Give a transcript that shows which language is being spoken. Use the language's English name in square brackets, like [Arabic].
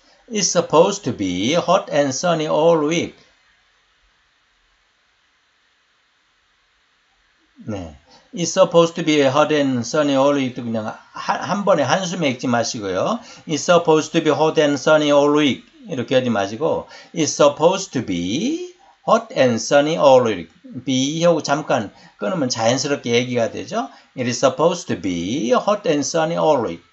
[English] It's supposed to be hot and sunny all week. [Korean] 네. [English] It's supposed to be hot and sunny all week. [Korean] 그냥 한 번에 한숨에 읽지 마시고요. [English] It's supposed to be hot and sunny all week. [Korean] 이렇게 하지 마시고. [English] It's supposed to be hot and sunny all week. [Korean] B하고 잠깐 끊으면 자연스럽게 얘기가 되죠? [English] It is supposed to be hot and sunny all week.